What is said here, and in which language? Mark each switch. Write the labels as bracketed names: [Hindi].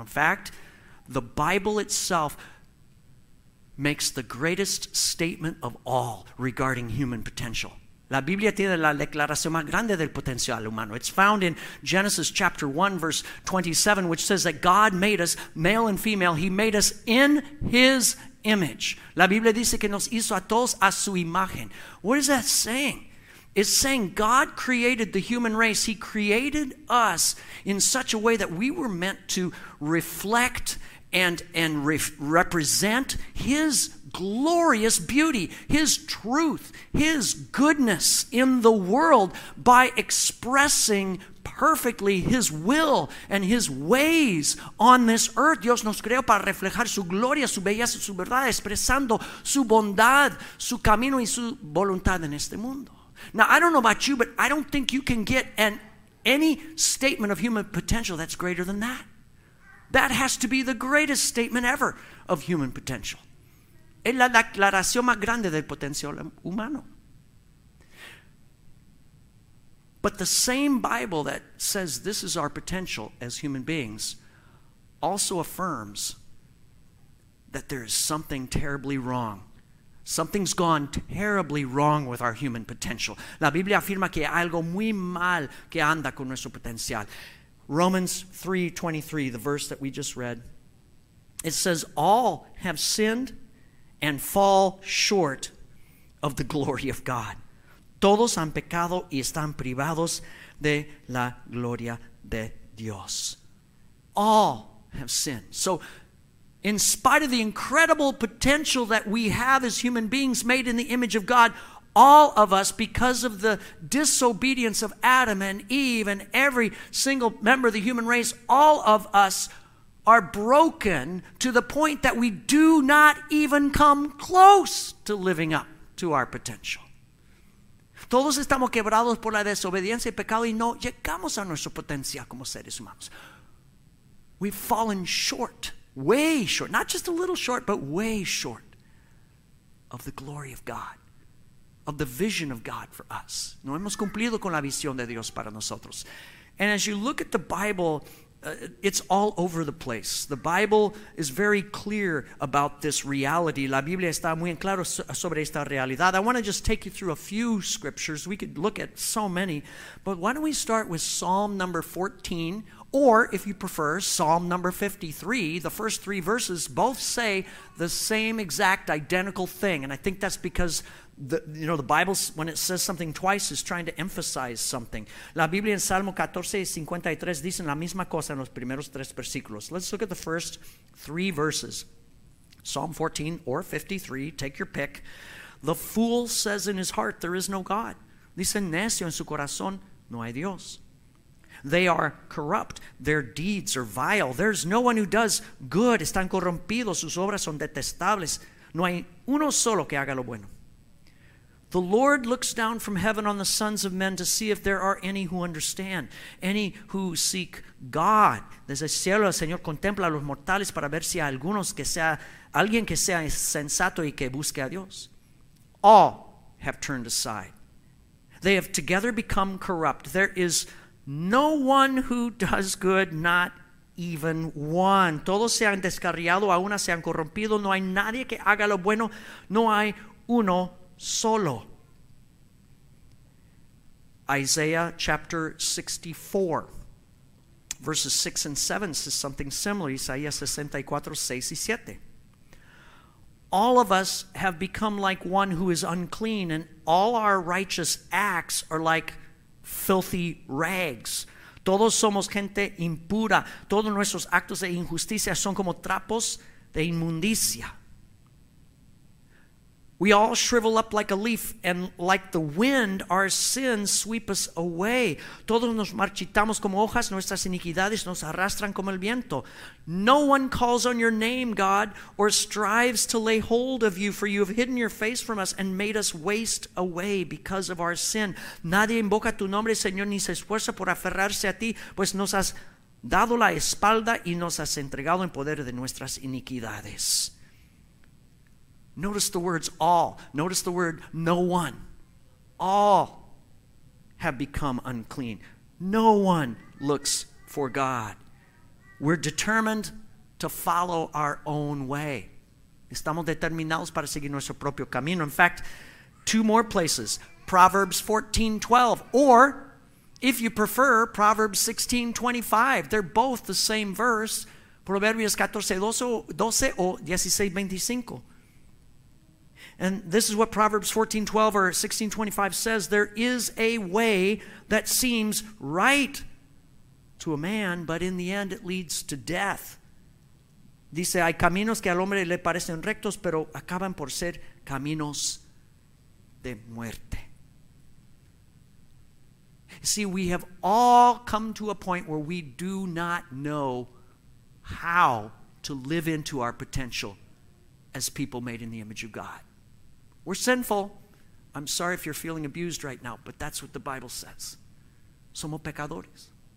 [English] In fact, the Bible itself makes the greatest statement of all regarding human potential. [Spanish] La Biblia tiene la declaración más grande del potencial humano. [English] It's found in Genesis chapter 1, verse 27, which says that God made us male and female. He made us in His image. [Spanish] La Biblia dice que nos hizo a todos a su imagen. [English] What is that saying? It's saying God created the human race. He created us in such a way that we were meant to reflect and represent His glorious beauty, His truth, His goodness in the world by expressing perfectly His will and His ways on this earth. [Spanish] Dios nos creó para reflejar su gloria, su belleza, su verdad, expresando su bondad, su camino y su voluntad en este mundo. [English] Now, I don't know about you, but I don't think you can get any statement of human potential that's greater than that. That has to be the greatest statement ever of human potential. [Spanish] Es la declaración más grande del potencial humano. [English] But the same Bible that says this is our potential as human beings also affirms that there is something terribly wrong. Something's gone terribly wrong with our human potential. [Spanish] La Biblia afirma que hay algo muy mal que anda con nuestro potencial. [English] Romans 3:23, the verse that we just read, it says, all have sinned and fall short of the glory of God. [Spanish] Todos han pecado y están privados de la gloria de Dios. [English] All have sinned. So, in spite of the incredible potential that we have as human beings made in the image of God, all of us, because of the disobedience of Adam and Eve and every single member of the human race, all of us are broken to the point that we do not even come close to living up to our potential. [Spanish] Todos estamos quebrados por la desobediencia y pecado y no llegamos a nuestro potencial como seres humanos. [English] We've fallen short, way short, not just a little short, but way short of the glory of God, of the vision of God for us. [Spanish] No hemos cumplido con la visión de Dios para nosotros. [English] And as you look at the Bible, it's all over the place. The Bible is very clear about this reality. [Spanish] La Biblia está muy en claro sobre esta realidad. [English] I want to just take you through a few scriptures. We could look at so many, but why don't we start with Psalm number 14, or if you prefer, Psalm number 53. The first three verses both say the same exact identical thing, and I think that's because the Bible, when it says something twice, is trying to emphasize something. [Spanish] La Biblia en Salmo 14, 53 dicen la misma cosa en los primeros tres versículos. [English] Let's look at the first three verses. Psalm 14 or 53, take your pick. The fool says in his heart, there is no God. [Spanish] Dice necio en su corazón, no hay Dios. [English] They are corrupt. Their deeds are vile. There's no one who does good. [Spanish] Están corrompidos. Sus obras son detestables. No hay uno solo que haga lo bueno. [English] The Lord looks down from heaven on the sons of men to see if there are any who understand, any who seek God. [Spanish] Desde el cielo el Señor contempla a los mortales para ver si hay algunos que sea alguien que sea sensato y que busque a Dios. [English] All have turned aside. They have together become corrupt. There is no one who does good, not even one. [Spanish] Todos se han descarriado, a una se han corrompido. No hay nadie que haga lo bueno. No hay uno solo. [English] Isaiah chapter 64, verses 6 and 7 says something similar. [Spanish] Isaiah 64, 6 y 7. [English] All of us have become like one who is unclean, and all our righteous acts are like filthy rags. [Spanish] Todos somos gente impura. Todos nuestros actos de injusticia son como trapos de inmundicia. [English] We all shrivel up like a leaf, and like the wind, our sins sweep us away. [Spanish] Todos nos marchitamos como hojas, nuestras iniquidades nos arrastran como el viento. [English] No one calls on your name, God, or strives to lay hold of you, for you have hidden your face from us and made us waste away because of our sin. [Spanish] Nadie invoca tu nombre, Señor, ni se esfuerza por aferrarse a ti, pues nos has dado la espalda y nos has entregado en poder de nuestras iniquidades. [English] Notice the words all. Notice the word no one. All have become unclean. No one looks for God. We're determined to follow our own way. [Spanish] Estamos determinados para seguir nuestro propio camino. [English] In fact, two more places. Proverbs 14:12, or if you prefer, Proverbs 16:25. They're both the same verse. [Spanish] Proverbios 14:12 o 16:25. [English] And this is what Proverbs 14:12 or 16:25 says. There is a way that seems right to a man, but in the end it leads to death. [Spanish] Dice, hay caminos que al hombre le parecen rectos, pero acaban por ser caminos de muerte. [English] See, we have all come to a point where we do not know how to live into our potential as people made in the image of God. We're sinful. I'm sorry if you're feeling abused right now, but that's what the Bible says. [Spanish] Somos pecadores.